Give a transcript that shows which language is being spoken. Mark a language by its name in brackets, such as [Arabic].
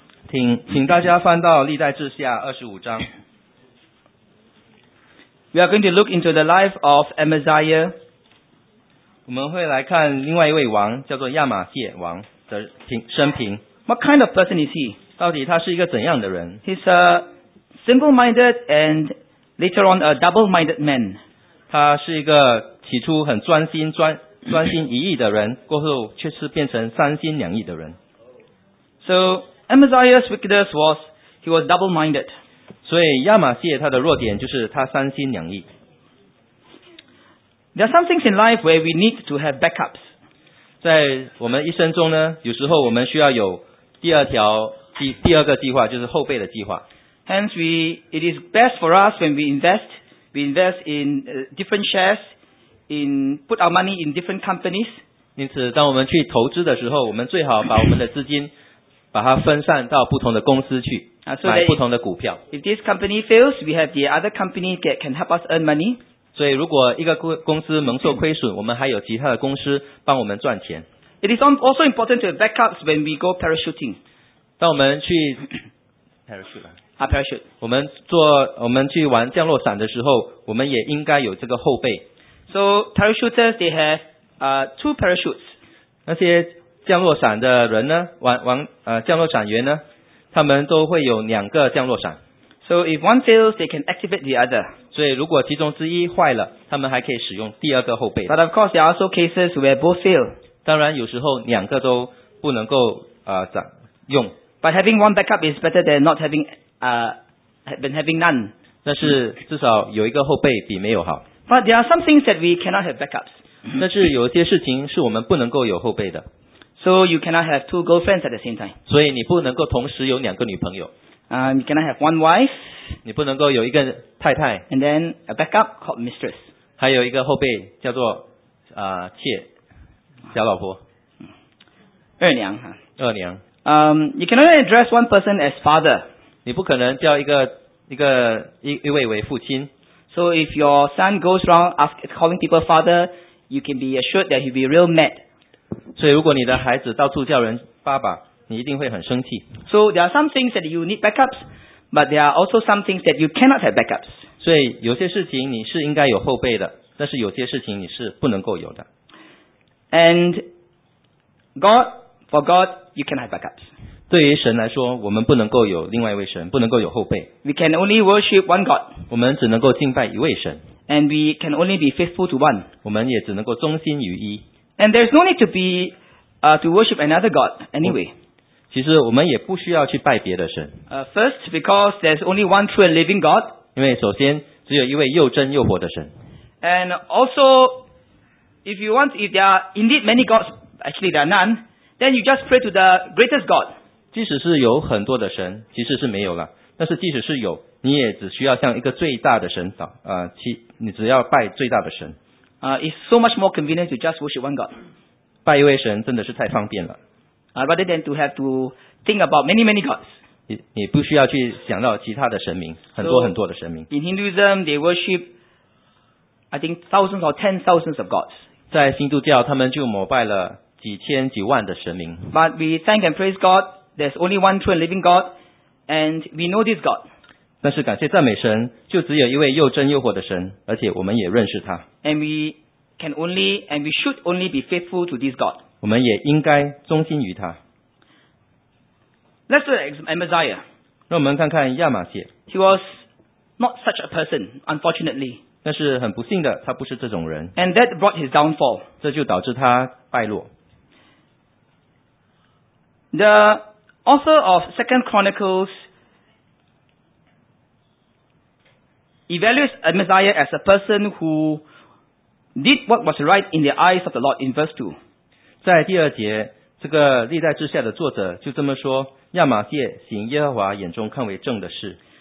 [Chinese] 请大家翻到历代志下25章。 [English] We are going to look into the life of Amaziah. [Chinese] 我们会来看另外一位王，叫做亚玛谢王的生平。 [English] What kind of person is he? [Chinese] 到底他是一个怎样的人？ [English] He's a simple-minded and later on a double-minded man. [Chinese] 他是一个起初很专心一意的人，过后却是变成三心两意的人。 [English] So Amaziah's weakness was he was double-minded. [Chinese] 所以亚玛谢他的弱点就是他三心两意。 [English] There are some things in life where we need to have backups. [Chinese] 在我们一生中呢，有时候我们需要有第二个计划，就是后备的计划。 [English] Hence, it is best for us when we invest in different shares, in put our money in different companies. [Chinese] 因此，当我们去投资的时候，我们最好把我们的资金把它分散到不同的公司去，买不同的股票。 [English] If this company fails, we have the other company that can help us earn money. [Chinese] 所以，如果一个公司蒙受亏损，我们还有其他的公司帮我们赚钱。 [English] It is also important to have backups when we go parachuting. [Chinese] 当我们去 parachute 了。我们去玩降落伞的时候，我们也应该有这个后备。 [English] So parachuters they have two parachutes. [Chinese] 那些降落伞的人呢，降落伞员呢，他们都会有两个降落伞。 [English] So if one fails, they can activate the other. [Chinese] 所以如果其中之一坏了，他们还可以使用第二个后备。 [English] But of course, there are also cases where both fail. [Chinese] 当然，有时候两个都不能够用。 [English] But having one backup is better than not having. Been having none. [Chinese] 但是至少有一个后备比没有好。 [English] But there are some things that we cannot have backups. [Chinese] 但是有些事情是我们不能够有后备的。 [English] So you cannot have two girlfriends at the same time. [Chinese] 所以你不能够同时有两个女朋友。 [English] You cannot have one wife. [Chinese] 你不能够有一个太太。 [English] And then a backup called mistress. [Chinese] 还有一个后备叫做妾，小老婆。二娘。 [English] You cannot address one person as father. [Chinese] 你不可能叫一位为父亲。 [English] So if your son goes wrong calling people father, you can be assured that he'll be real mad. [Chinese] 所以如果你的孩子到处叫人爸爸，你一定会很生气。 [English] So there are some things that you need backups, but there are also some things that you cannot have backups. [Chinese] 所以有些事情你是应该有后备的，但是有些事情你是不能够有的。 [English] And God, for God, you cannot have backups. [Chinese] 对于神来说，我们不能够有另外一位神，不能够有后辈。 [English] We can only worship one God. [Chinese] 我们只能够敬拜一位神。 [English] And we can only be faithful to one. [Chinese] 我们也只能够忠心于一。 [English] And there's no need to worship another God anyway. [Chinese] 其实我们也不需要去拜别的神。 [English] First, because there's only one true and living God. [Chinese] 因为首先只有一位又真又活的神。 [English] And also, if there are indeed many gods, actually there are none, then you just pray to the greatest God. [Chinese] 即使是有很多的神，其实是没有了。但是即使是有，你也只需要向一个最大的神祷，你只要拜最大的神。 [English] It's so much more convenient to just worship one God. [Chinese] 拜一位神真的是太方便了。 [English] Rather than to have to think about many, many gods. [Chinese] 你不需要去想到其他的神明，很多很多的神明。 [English] So, in Hinduism, they worship, I think, thousands or ten thousands of gods. [Chinese] 在印度教，他们就膜拜了几千几万的神明。 [English] But we thank and praise God. There's only one true and living God, and we know this God. [Chinese] 但是感谢赞美神，就只有一位又真又活的神，而且我们也认识他。 [English] And we can only, and we should only be faithful to this God. [Chinese] 我们也应该忠心于他。 [English] Let's look at Amaziah. [Chinese] 让我们看看亚玛谢。 [English] He was not such a person, unfortunately. [Chinese] 但是很不幸的，他不是这种人。 [English] And that brought his downfall. [Chinese] 这就导致他败落。 [English] The author of 2 Chronicles evaluates Amaziah as a person who did what was right in the eyes of the Lord in verse 2. [Chinese] 在第二节，这个历代志下的作者就这么说，亚玛谢行耶和华眼中看为正的事。